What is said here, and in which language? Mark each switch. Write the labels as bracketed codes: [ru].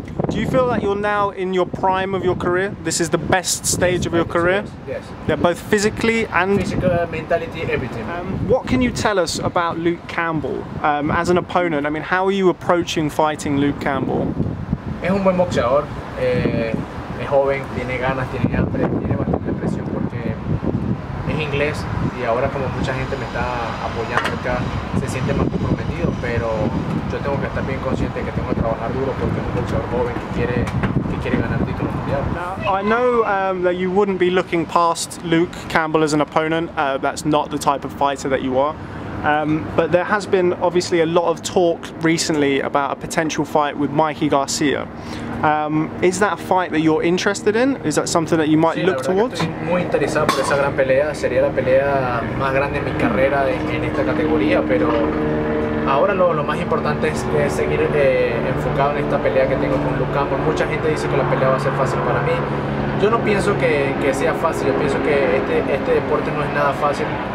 [en] Do you feel that you're now in your prime of your career? This is the best stage of your career? Yes. Yeah, both physically and... physical, mentality, everything. What can you tell us about Luke Campbell as an opponent? I mean, how are you approaching fighting Luke Campbell? [es] Es un buen boxeador. Es joven, tiene ganas, tiene hambre, tiene bastante presión porque es inglés y ahora como mucha gente me está apoyando acá, se siente más comprometido, pero yo tengo que estar bien consciente que tengo que trabajar duro porque es un boxeador joven que quiere ganar el título mundial. [en] I know that you wouldn't be looking past Luke Campbell as an opponent. That's not the type of fighter that you are. But there has been obviously a lot of talk recently about a potential fight with Mikey Garcia. Is that a fight that you're interested in? Is that something that you might [es] sí, [en] look towards? I'm very interested in that great fight. [es] Sería la pelea más grande en mi carrera en esta categoría. Pero ahora lo más importante es seguir enfocado en esta pelea que tengo con Luke Campbell. Mucha gente dice que la pelea va a ser fácil para mí. Yo no pienso que sea fácil. Yo pienso que este deporte no es nada fácil.